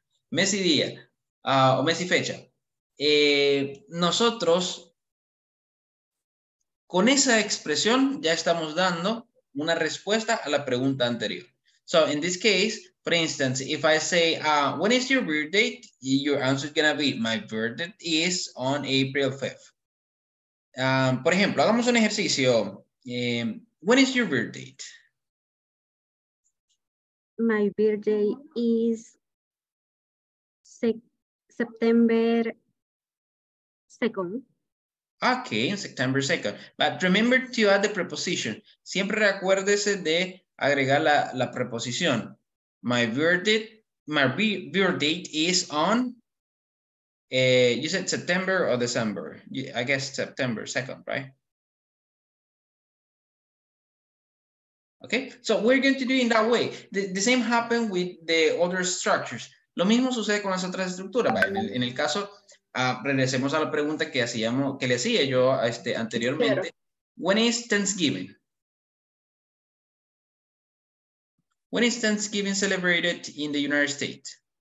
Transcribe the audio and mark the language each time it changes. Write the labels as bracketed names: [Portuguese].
[Spanish] Mes y fecha. Nosotros, con esa expresión, ya estamos dando una respuesta a la pregunta anterior. [English] So, in this case, for instance, if I say, when is your birth date? Your answer is going to be, my birth date is on April 5th. [Spanish] Por ejemplo, hagamos un ejercicio. [English] When is your birth date? My birthday is September 2nd. Okay, September 2nd. But remember to add the preposition. [Spanish] Siempre recuérdese de agregar la preposición. [English] My birth date is on, you said September or December? I guess September 2nd, right? Okay, so we're going to do it in that way. The same happened with the other structures. [Spanish] Lo mismo sucede con las otras estructuras. En el caso, regresemos a la pregunta que hacíamos, que le hacía yo anteriormente. [English] Claro. When is Thanksgiving? When is Thanksgiving celebrated in the United States?